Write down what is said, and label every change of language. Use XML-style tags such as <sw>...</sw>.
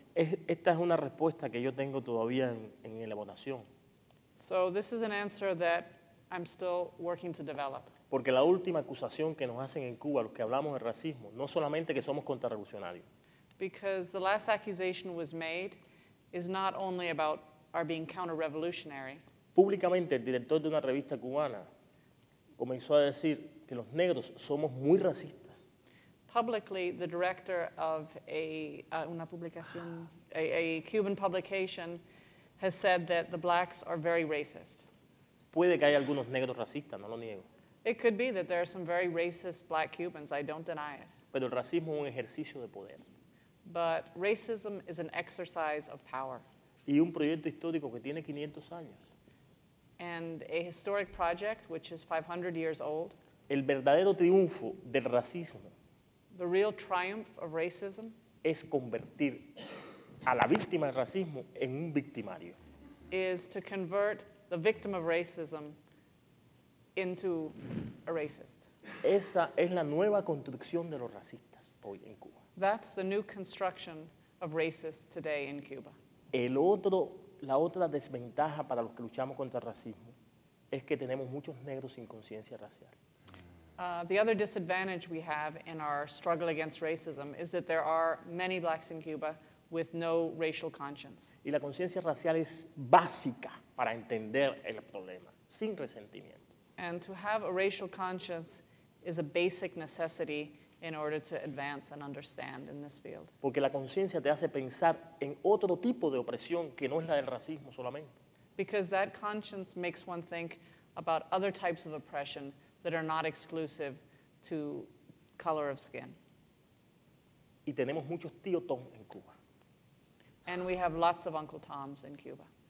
<es>Esta es una respuesta que yo tengo todavía en elaboración.</es> <en>So this is an answer that I'm still working to develop.</en> <es>Porque la última acusación que nos hacen en Cuba, los que hablamos de racismo, no solamente que somos contrarrevolucionarios.</es> <en>Because the last accusation was made is not only about our being counter-revolutionary.</en> <es>Públicamente, el director de una revista cubana comenzó a decir que los negros somos muy racistas.</es> <en>Publicly, the director of</en> <es>una publicación,</es> <en>a Cuban publication, has said that the blacks are very racist.</en> <es>Puede que haya algunos negros racistas, no lo niego.</es> <en>It could be that there are some very racist black Cubans, I don't deny it.</en> <es>Pero el racismo es un ejercicio de poder.</es> <en>But racism is an exercise of power.</en> <es>Y un proyecto histórico que tiene 500 años.</es> <en>And a historic project which is 500 years old.</en> <es>El verdadero triunfo del racismo.</es> <en>The real triumph of racism.</en> <es>Es convertir a la víctima del racismo en un victimario.</es> <en>Is to convert the victim of racism into a racist.</en> <es>Esa es la nueva construcción de los racistas hoy en Cuba.</es> <en>That's the new construction of racists today in Cuba.</en> <es>El otro, la otra desventaja para los que luchamos contra el racismo es que tenemos muchos negros sin conciencia racial.</es> <en>The other disadvantage we have in our struggle against racism is that there are many blacks in Cuba with no racial conscience.</en> <es>Y la conciencia racial es básica para entender el problema, sin resentimiento.</es> <en>And to have a racial conscience is a basic necessity in order to advance and understand in this field.</en> <es>Porque la conciencia te hace pensar en otro tipo de opresión que no es la del racismo solamente.</es> <en>Because that conscience makes one think about other types of oppression that are not exclusive to color of skin.</en> <es>Y tenemos muchos tío Tom en Cuba.</es> <en>And we have lots of Uncle Toms in Cuba.</en>